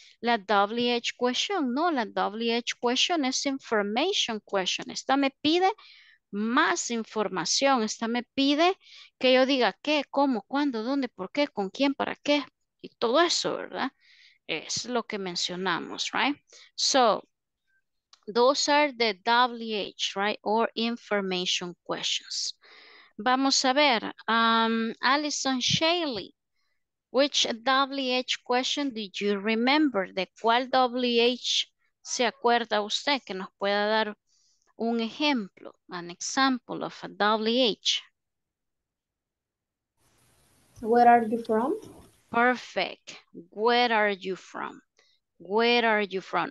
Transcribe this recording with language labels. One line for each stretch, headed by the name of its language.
Spanish: La WH question, no, la WH question es information question. Esta me pide más información, esta me pide que yo diga qué, cómo, cuándo, dónde, por qué, con quién, para qué, y todo eso, ¿verdad? Es lo que mencionamos, right?
English: So, those are the WH, right, or information questions.
Spanish: Vamos a ver,
English: Alison Shaley, which WH question did you remember?
Spanish: ¿De cuál WH se acuerda usted que nos pueda dar un ejemplo,
English: an example of a WH? Where are you from? Perfect. Where are you from? Where are you from?